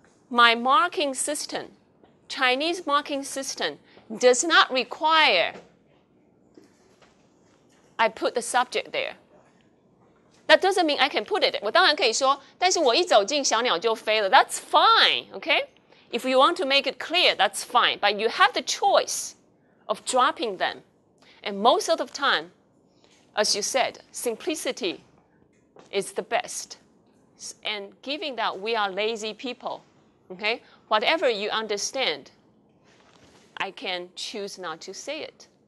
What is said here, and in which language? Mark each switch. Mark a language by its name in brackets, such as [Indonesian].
[English] My marking system, Chinese marking system, does not require I put the subject there. That doesn't mean I can put it. [Chinese] 我当然可以说，但是我一走近，小鸟就飞了。 [English] That's fine, okay? If you want to make it clear, that's fine. But you have the choice of dropping them. And most of the time, as you said, simplicity,It's the best. And given that we are lazy people, okay? Whatever you understand, I can choose not to say it.